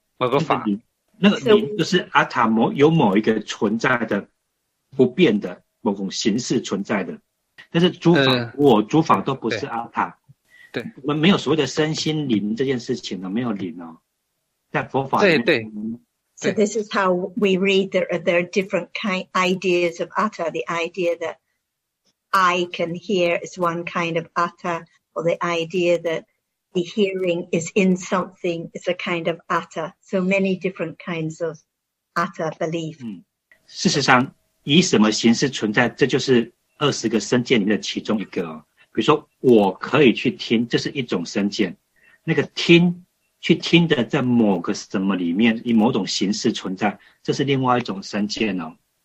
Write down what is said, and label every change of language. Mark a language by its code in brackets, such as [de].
[zh] 某个法，那个灵就是阿塔有某一个存在的不变的某种形式存在的。但是诸法我诸法都不是阿塔，对，我们没有所谓的身心灵这件事情呢，没有灵哦，在佛法里面。对对。 [en] So this is how we read there are different kind ideas of atta. The idea that I can hear is one kind of atta, or the idea that the hearing is in something is a kind of atta. So many different kinds of atta belief. [zh] 事实上，以什么形式存在，这就是。二十个身见里面的其中一个、哦、比如说我可以去听，这是一种身见，那个听去听的在某个什么里面以某种形式存在，这是另外一种身见哦。